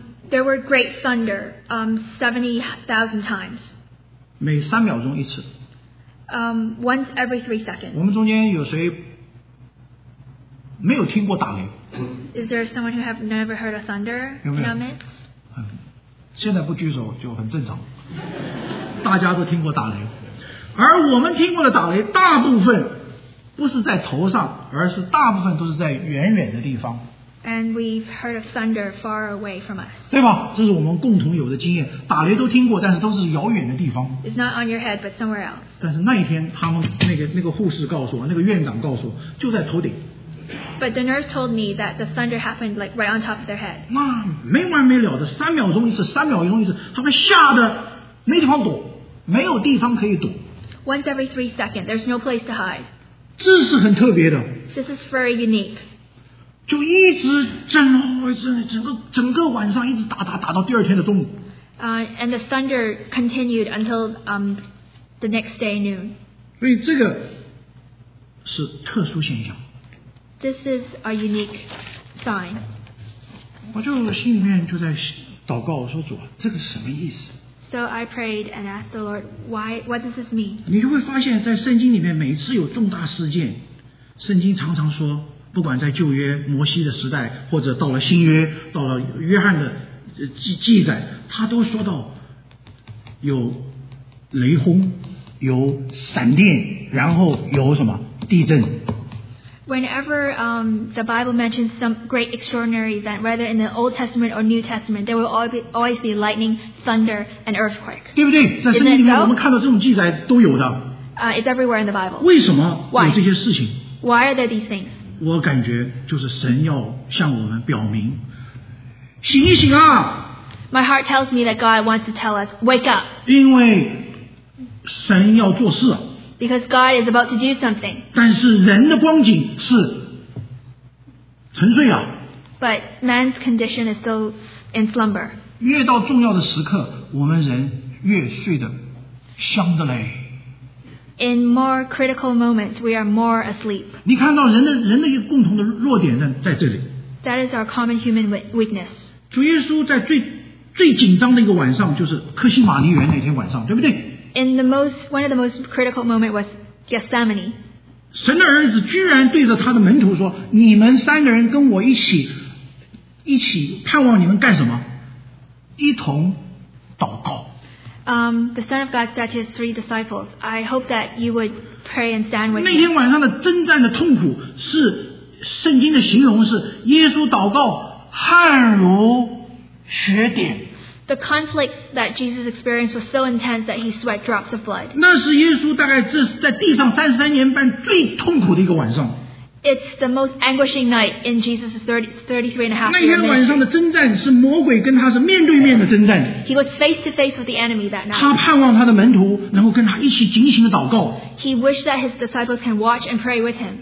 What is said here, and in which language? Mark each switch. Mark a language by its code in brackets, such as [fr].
[en] There were great thunder, 70,000 times. [zh] 每三秒钟一次。 [en] Once every 3 seconds. [zh] 我们中间有谁没有听过打雷？ [en] Is there someone who have never heard of thunder? [zh] 有没有？ [en] In our midst? [zh] 现在不举手就很正常。大家都听过打雷，而我们听过的打雷大部分不是在头上，而是大部分都是在远远的地方。 [en] And we've heard of thunder far away from us. [zh] 对吧？这是我们共同有的经验。打雷都听过，但是都是遥远的地方。 [en] It's not on your head, but somewhere else. [zh] 但是那一天，他们那个护士告诉我，那个院长告诉我，就在头顶。 [en] But the nurse told me that the thunder happened like right on top of their head. [zh] 那没完没了的，三秒钟一次，三秒钟一次，他们吓得没地方躲，没有地方可以躲。 [en] Once every 3 seconds, there's no place to hide. [zh] 这是很特别的。 [en] This is very unique. [zh] 就一直震哦，整个晚上一直打到第二天的中午。 [en] And the thunder continued until the next day noon. [zh] 所以这个是特殊现象。 [en] This is a unique sign. [zh] 我就心里面就在祷告，我说主，这个是什么意思？ [en] So I prayed and asked the Lord, why? What does this mean? [zh] 你就会发现，在圣经里面，每次有重大事件，圣经常常说。不管在旧约摩西的时代，或者到了新约，到了约翰的记载，他都说到有雷轰，有闪电，然后有什么地震。 [en] Whenever the Bible mentions some great extraordinary event, whether in the Old Testament or New Testament, there will always be lightning, thunder, and earthquake. [zh] 对不对？在圣经里面，我们看到这种记载都有的。 [en] It's everywhere in the Bible. [zh] 为什么有这些事情 [en] ？Why are there these things? [zh] 我感觉就是神要向我们表明，醒一醒啊 [en] ！My heart tells me that God wants to tell us, wake up. [zh] 因为神要做事。 [en] Because God is about to do something. [zh] 但是人的光景是沉睡了。 [en] But man's condition is still in slumber. [zh] 越到重要的时刻，我们人越睡得香的嘞。 [en] In more critical moments, we are more asleep. [zh] 你看到人的一个共同的弱点在这里。 [en] That is our common human weakness. [zh] 主耶稣在最紧张的一个晚上就是克西马尼园那天晚上，对不对？ [en] In the most, one of the most critical moments was Gethsemane. [zh] 神的儿子居然对着他的门徒说，你们三个人跟我一起盼望你们干什么？一同祷告。 [en] The Son of God said to his three disciples, I hope that you would pray and stand with me. [zh] 那天晚上的征战的痛苦是圣经的形容是耶稣祷告汗如血点。 [en] The conflict that Jesus experienced was so intense that he sweat drops of blood. [zh] 那是耶稣大概这在地上33年半最痛苦的一个晚上。 [en] It's the most anguishing night in Jesus' 33 and a half years. [zh] 那天晚上的征战是魔鬼跟他是面对面的征战。 [en] He was face to face with the enemy that night. [zh] 他盼望他的门徒能够跟他一起警醒的祷告。 [en] He wished that his disciples can watch and pray with him.